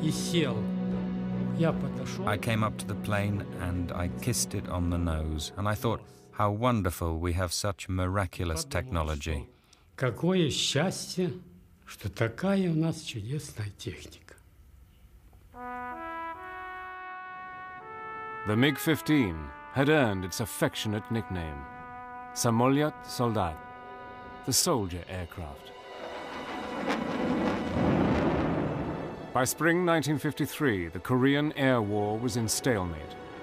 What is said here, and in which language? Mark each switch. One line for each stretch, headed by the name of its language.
English: I came up to the plane and I kissed it on the nose, and I thought, how wonderful we have such miraculous technology.
Russian: Какое счастье, что такая у нас чудесная техника.
English: The MiG-15 had earned its affectionate nickname, Samolyot Soldat, the soldier aircraft. By spring 1953, the Korean Air War was in stalemate.